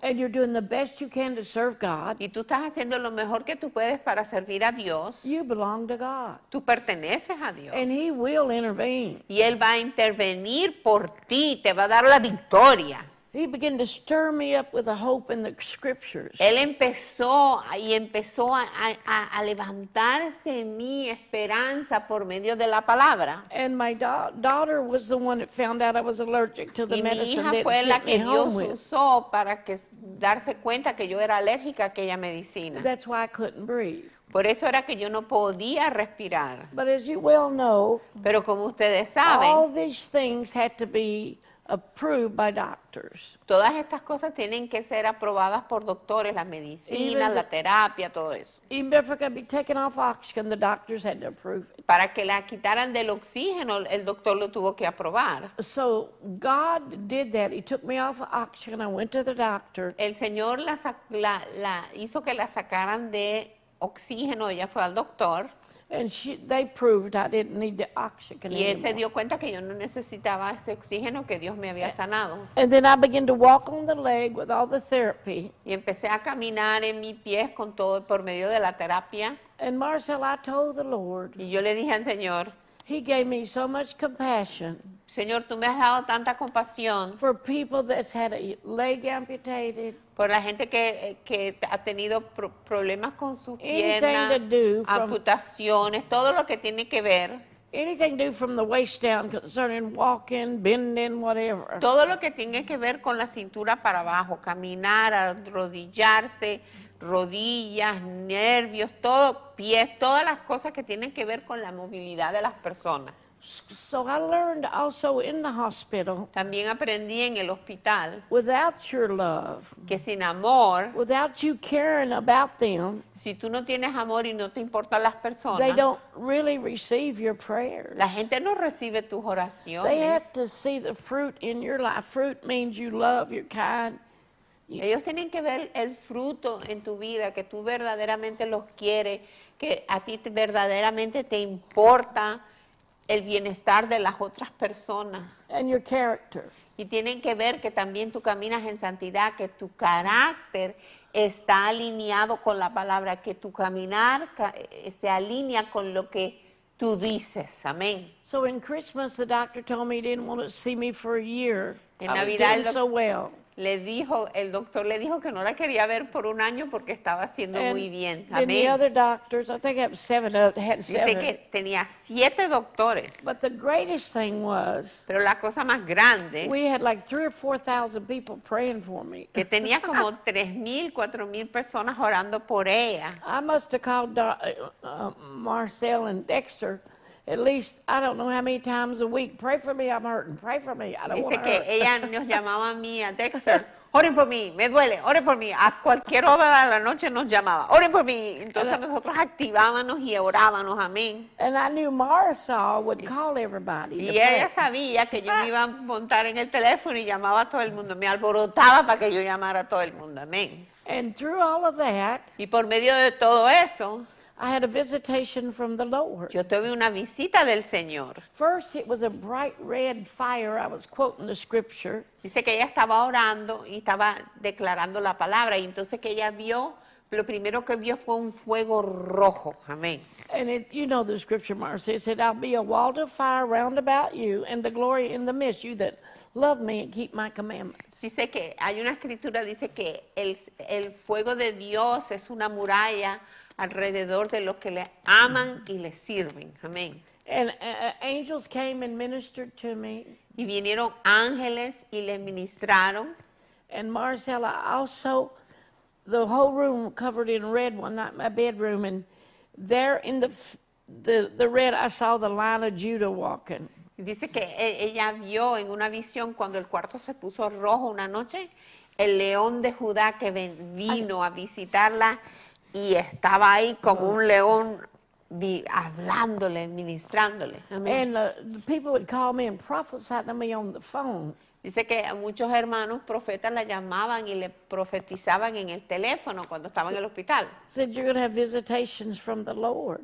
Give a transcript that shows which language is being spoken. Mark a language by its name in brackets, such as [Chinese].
[English] and you're doing the best you can to serve God, [Spanish] y tú estás haciendo lo mejor que tú puedes para servir a Dios, [English] you belong to God. [Spanish] Tú perteneces a Dios. [English] And he will intervene. [Spanish] Y él va a intervenir por ti, te va a dar la victoria. [English] He began to stir me up with a hope in the scriptures. [Spanish] Él empezó y empezó a levantarse en mí esperanza por medio de la palabra. [English] And my daughter was the one that found out I was allergic to the medicine that she sent me home with. [Spanish] Y mi hija fue la que Dios usó para que darse cuenta que yo era alérgica a aquella medicina. [English] That's why I couldn't breathe. [Spanish] Por eso era que yo no podía respirar. [English] But as you well know, [Spanish] pero como ustedes saben, [English] all these things had to be approved by doctors. [Spanish] Todas estas cosas tienen que ser aprobadas por doctores, la medicina, la terapia, todo eso. [English] Even if I could be taken off oxygen, the doctors had to approve it. [Spanish] Para que la quitaran del oxígeno, el doctor lo tuvo que aprobar. [English] So God did that. He took me off oxygen. I went to the doctor. [Spanish] El Señor la hizo que la sacaran de oxígeno. Ella fue al doctor. [English] And they proved I didn't need the oxygen anymore. [Spanish] Y él se dio cuenta que yo no necesitaba ese oxígeno que Dios me había sanado. [English] And then I began to walk on the leg with all the therapy. [Spanish] Y empecé a caminar en mi pie con todo por medio de la terapia. [English] And Marcel, I told the Lord. [Spanish] Y yo le dije al Señor. [English] He gave me so much compassion. [Spanish] Señor, tú me has dado tanta compasión. [English] For people that's had a leg amputated. [Spanish] Por la gente que ha tenido problemas con sus piernas, amputaciones, todo lo que tiene que ver. [English] Anything to do from the waist down concerning walking, bending, whatever. [Spanish] Todo lo que tiene que ver con la cintura para abajo, caminar, arrodillarse, rodillas, nervios, todo, pies, todas las cosas que tienen que ver con la movilidad de las personas. [English] So I learned also in the hospital. [Spanish] También aprendí en el hospital. [English] Without your love. [Spanish] Que sin amor. [English] Without you caring about them. [Spanish] Si tú no tienes amor y no te importan las personas. [English] They don't really receive your prayers. [Spanish] La gente no recibe tus oraciones. [English] They have to see the fruit in your life. Fruit means you love, you're kind. [Spanish] Ellos tienen que ver el fruto en tu vida, que tú verdaderamente los quieres, que a ti verdaderamente te importa el bienestar de las otras personas. [English] And your character. [Spanish] Y tienen que ver que también tú caminas en santidad, que tu carácter está alineado con la palabra, que tu caminar se alinea con lo que tú dices. Amén. [English] So in Christmas the doctor told me he didn't want to see me for a year. [Spanish] En Navidad [English] doing so well. [Spanish] Le dijo, el doctor le dijo que no la quería ver por un año porque estaba haciendo muy bien. Amén. [English] The other doctors, I think I have seven of them. [Spanish] Dice que tenía siete doctores. [English] But the greatest thing was, [Spanish] pero la cosa más grande, [English] we had like 3,000 or 4,000 people praying for me. [Spanish] Que tenía como 3,000, 4,000 personas orando por ella. [English] I must have called Marcel and Dexter. At least, I don't know how many times a week. Pray for me, I'm hurting. Pray for me, I don't [Spanish] dice [English] want to [Spanish] que [English] hurt. [Spanish] Ella nos llamaba a mí, a Dexter. Oren por mí, me duele, oren por mí. A cualquier hora de la noche nos llamaba. Oren por mí. Entonces nosotros activábamos y orábamos, amén. [English] And I knew Marisol would call everybody. [Spanish] Y ella sabía que yo me iba a montar en el teléfono y llamaba a todo el mundo. Me alborotaba para que yo llamara a todo el mundo, amén. [English] And through all of that. [Spanish] Y por medio de todo eso. [English] I had a visitation from the Lord. [Spanish] Yo tuve una visita del Señor. [English] First, it was a bright red fire. I was quoting the scripture. [Spanish] Dice que ella estaba orando y estaba declarando la palabra. Y entonces que ella vio, lo primero que vio fue un fuego rojo. Amén. [English] And it, you know the scripture, Marcy. It said, I'll be a wall of fire round about you and the glory in the midst, you that love me and keep my commandments. [Spanish] Dice que hay una escritura, dice que el fuego de Dios es una muralla alrededor de los que le aman y le sirven. Amén. [English] And angels came and ministered to me. [Spanish] Y vinieron ángeles y le ministraron. [English] And Marcella also, the whole room covered in red one night, my bedroom, and there in the red I saw the line of Judah walking. [Spanish] Dice que ella vio en una visión cuando el cuarto se puso rojo una noche, el león de Judá que vino a visitarla. Y estaba ahí como un león hablándole, ministrándole. [English] Amen. And the people would call me and prophesy to me on the phone. [Spanish] Dice que muchos hermanos profetas la llamaban y le profetizaban en el teléfono cuando estaba en el hospital. [English] Said you're going to have visitations from the Lord.